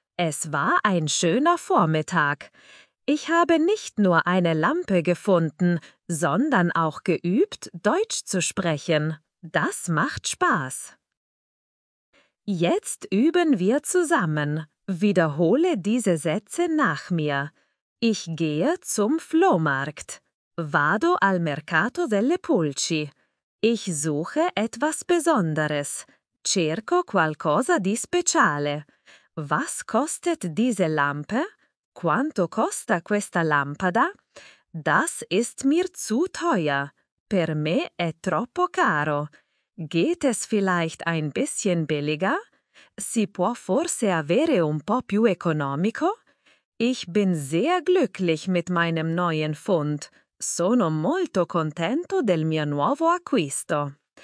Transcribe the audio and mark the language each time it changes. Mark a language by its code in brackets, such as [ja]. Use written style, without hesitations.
[de] Es war ein schöner Vormittag. Ich habe nicht nur eine Lampe gefunden, sondern auch geübt, Deutsch zu sprechen. Das macht Spaß. Jetzt üben wir zusammen. Wiederhole diese Sätze nach mir. Ich gehe zum Flohmarkt. [it] Vado al mercato delle pulci. [de] Ich suche etwas Besonderes. [it] Cerco qualcosa di speciale. [de] Was kostet diese Lampe? [it] Quanto costa questa lampada? [de] Das ist mir zu teuer. [it] Per me è troppo caro. [de] Geht es vielleicht ein bisschen billiger? [it] Si può forse avere un po' più economico? [de] Ich bin sehr glücklich mit meinem neuen Fund. [it] Sono molto contento del mio nuovo acquisto.